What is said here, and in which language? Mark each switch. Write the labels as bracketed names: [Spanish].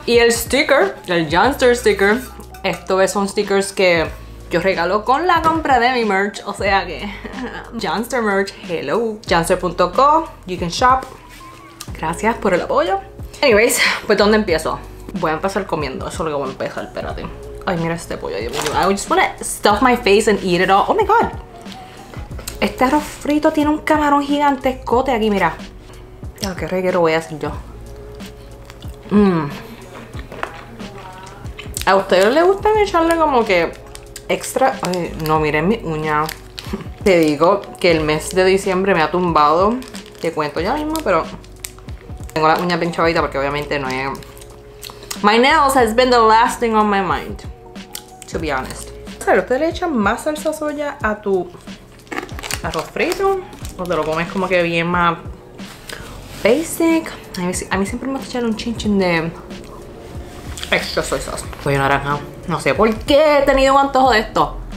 [Spanish] Y el sticker, el Youngster sticker. Estos son stickers que yo regalo con la compra de mi merch. O sea que... [English] Youngster merch, hello. Youngster.co, you can shop. [Spanish] Gracias por el apoyo. Anyways, pues ¿dónde empiezo? Voy a empezar comiendo, eso es lo que voy a empezar, espérate. Ay, mira este pollo, Dios mío. [English] I just wanna stuff my face and eat it all. Oh my god. [Spanish] Este arroz frito tiene un camarón gigantesco de aquí, mira. Oh, qué reguero voy a hacer yo. ¿A ustedes les gusta echarle como que extra? Ay, no, miren mi uña. Te digo que el mes de diciembre me ha tumbado. Te cuento ya mismo, pero... Tengo la uña pinchadita porque obviamente no es... [English] My nails has been the last thing on my mind, to be honest. [Spanish] ¿Ustedes le echan más salsa soya a tu arroz frito? ¿O te lo comes como que bien más basic? A mí siempre me gusta echar un chinchín de extra soy sauce. Pollo naranja. No sé por qué he tenido un antojo de esto.